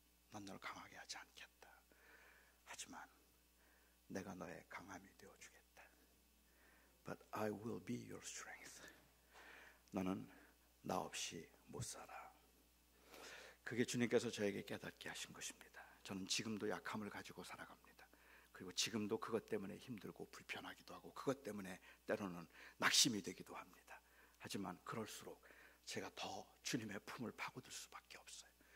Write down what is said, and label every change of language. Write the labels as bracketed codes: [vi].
[ko] 난 너를 강하게 하지 않겠다. 하지만 내가 너의 강함이 되어주겠다. [en] But I will be your strength. [ko] 너는 나 없이 못 살아. 그게 주님께서 저에게 깨닫게 하신 것입니다. 저는 지금도 약함을 가지고 살아갑니다. 그리고 지금도 그것 때문에 힘들고 불편하기도 하고 그것 때문에 때로는 낙심이 되기도 합니다. 하지만 그럴수록 제가 더 주님의 품을 파고들 수밖에 없어요.